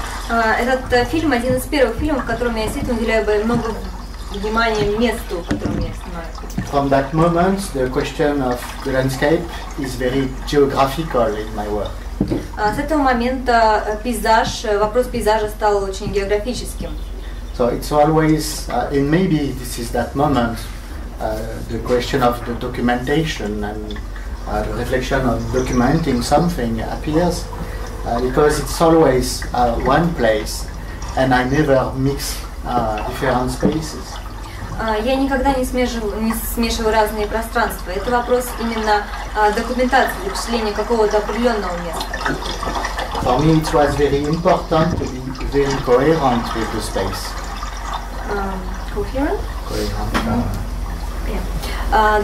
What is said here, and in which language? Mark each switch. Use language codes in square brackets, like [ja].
[ru] Этот фильм один из первых фильмов, в котором я действительно уделяю много внимания месту, в котором я снимаю. [en] From that moment, the question of the landscape is very geographical in my work. [ru] С этого момента пейзаж, вопрос пейзажа стал очень географическим. [en] So it's always, and maybe this is that moment, the question of the documentation and the reflection of documenting something appears. Because it's always one place, and I never mix different spaces. [ru] Я никогда не смешиваю разные пространства. Это вопрос именно документации, впечатления какого-то определенного места. [en] For me, it was very important to be very coherent with the space.